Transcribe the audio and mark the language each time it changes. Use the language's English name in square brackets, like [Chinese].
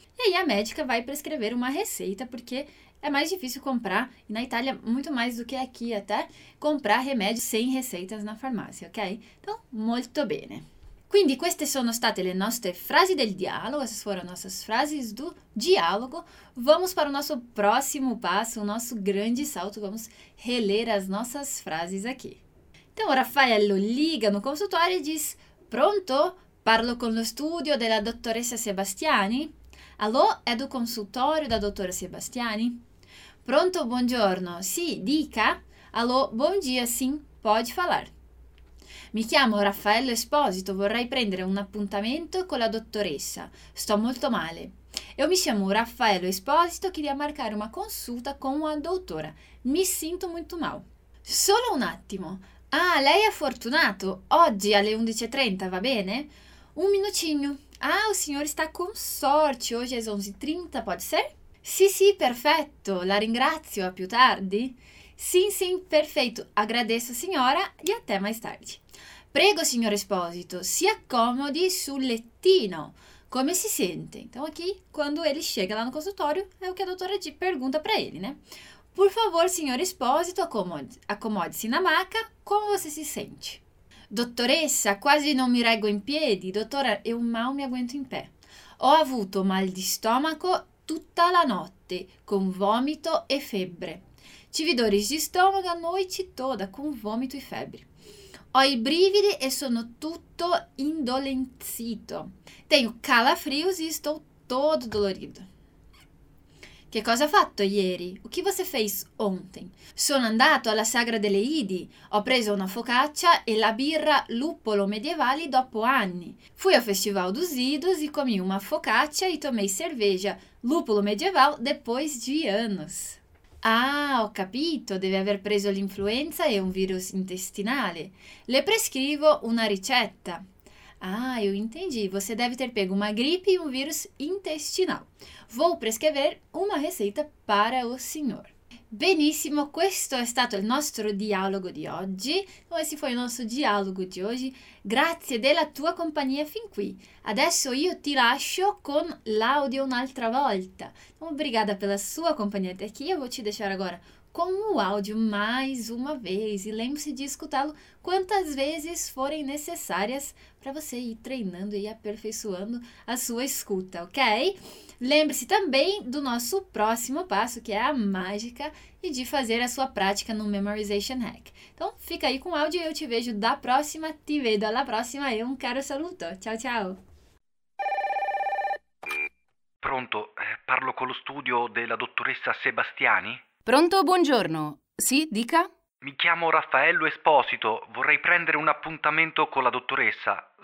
[Portuguese] E aí, a médica vai prescrever uma receita, porque é mais difícil comprar, e na Itália, muito mais do que aqui até, comprar remédio sem receitas na farmácia, ok? [Italian] Então, molto bene. Quindi, queste sono state le nostre frasi del dialogo, [Portuguese] essas foram nossas frases do diálogo. Vamos para o nosso próximo passo, o nosso grande salto, vamos reler as nossas frases aqui. Então, o Raffaello liga no consultório e diz, [Italian] pronto, parlo con lo studio della dottoressa Sebastiani. [Portuguese] Allo, è do consultório da dottore Sebastiani? [Italian] Pronto, buongiorno. Sì, dica. [Portuguese] Allo, bom dia, sim, pode falar. [Italian] Mi chiamo Raffaello Esposito, vorrei prendere un appuntamento con la dottoressa. Sto molto male. Io mi chiamo Raffaello Esposito, queria marcare una consulta con la dottora. Mi sinto molto male. Solo un attimo. Ah, lei è fortunato. Oggi alle 11:30, va bene? Un minutinho. [Portuguese] Ah, o senhor está com sorte. Hoje é 11:30, pode ser? [Italian] Sì, perfetto. La ringrazio. A più tardi. [Portuguese] Sim, sim, perfeito. Agradeço, signora, e até mais tarde. [Italian] Prego, signor Esposito, si accomodi sul lettino. Come si sente? [Portuguese] Então, aqui, quando ele chega lá no consultório, é o que a doutora G pergunta para ele, né? Por favor, senhor Esposito, acomode-se na maca. Como você se sente? [Italian] Dottoressa, quasi non mi reggo in piedi. [Portuguese] Dottora, eu mal me aguento em pé. [Italian] Ho avuto mal di stomaco tutta la notte, con vomito e febbre. [Portuguese] Tive dores de estômago a noite toda, com vômito e febre. [Italian] Ho i brividi e sono tutto indolenzito. [Portuguese] Tenho calafrios e estou todo dolorido. [Italian] Che cosa ha fatto ieri? [Portuguese] O que você fez ontem? [Italian] Sono andato alla Sagra delle Idi. Ho preso una focaccia e la birra Luppolo Medievali dopo anni. [Portuguese] Fui al Festival dos Idos e comi una focaccia e tomei cerveja Luppolo Medieval depois de anos. [Italian] Ah, ho capito. Deve aver preso l'influenza e un virus intestinale. Le prescrivo una ricetta. [Portuguese] Ah, eu entendi. Você deve ter pego uma gripe e um vírus intestinal. Vou prescrever uma receita para o senhor. [Italian] Benissimo, questo è stato il nostro dialogo di oggi. [Portuguese] Esse foi o nosso diálogo de hoje. [Italian] Grazie della tua compagnia fin qui. Adesso io ti lascio con l'audio un'altra volta. [Portuguese] Obrigada pela sua companhia até aqui. Eu vou te deixar agora com o áudio mais uma vez. E lembre-se de escutá-lo quantas vezes forem necessárias para você ir treinando e aperfeiçoando a sua escuta, ok? Lembre-se também do nosso próximo passo, que é a mágica, e de fazer a sua prática no Memorization Hack. Então, fica aí com o áudio e eu te vejo da próxima. [Italian] Te vedo alla prossima e un caro saluto. [Portuguese] Tchau, tchau! [Italian] Pronto, parlo con lo studio della dottoressa Sebastiani? Pronto, buongiorno. Sì, dica. Mi chiamo Raffaello Esposito. Vorrei prendere un appuntamento con la dottoressa.